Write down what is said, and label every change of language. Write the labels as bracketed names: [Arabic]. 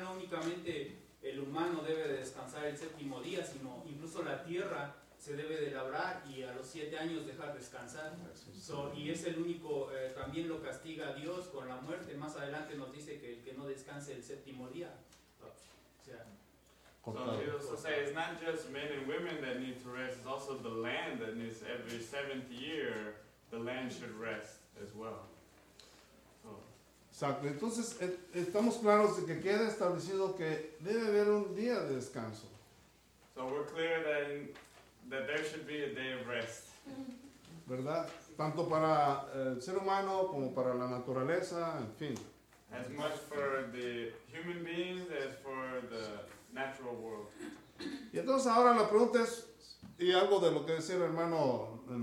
[Spanish] No únicamente el humano debe descansar el séptimo día, sino incluso la tierra se debe de labrar y a los 7 años dejar descansar. So, y es el único, también lo castiga a Dios con la muerte. Más adelante nos dice que el que no descanse el séptimo día. [English] So it's not just men and women that need to rest, it's also the land that needs every seventh year, the land should rest as well. [Spanish] Exacto. Entonces, estamos claros de que queda establecido que debe haber un día de descanso. [English] So we're clear that there should be a day of rest. [Spanish] ¿Verdad? Tanto para el ser humano como para la naturaleza, en fin. [English] As much for the human beings as for the natural world. [Spanish] Y entonces ahora la pregunta es, y algo de lo que decía el hermano...